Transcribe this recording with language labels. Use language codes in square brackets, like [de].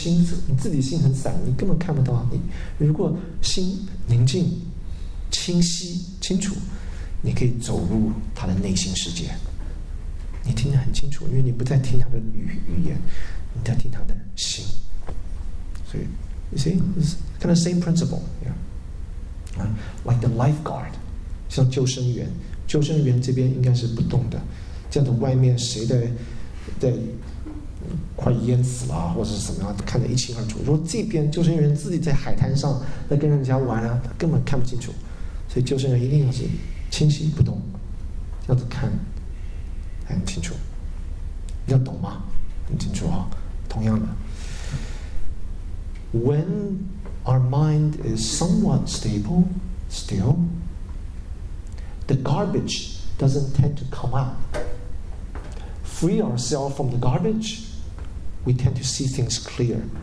[zh] 所以你如果心自己心很散， 你根本看不到， 你如果心宁静清晰清楚， 你可以走入他的内心世界。你听得很清楚， 因为你不再听他的语言， 你在听他的心。所以 [en] you see, it's kind of the same principle, yeah. Like the lifeguard, [zh] 像救生员， 救生员这边应该是不动的， 这样的外面谁在 快淹死了或者是什么样，看得一清二楚。如果这边救生员自己在海滩上在跟人家玩啊，根本看不清楚，所以救生员一定是清晰不动，要看很清楚，要懂吗？很清楚啊，同样的。 [en] When our mind is somewhat stable, still, the garbage doesn't tend to come out. Free ourselves from the garbage, we tend to see things clear.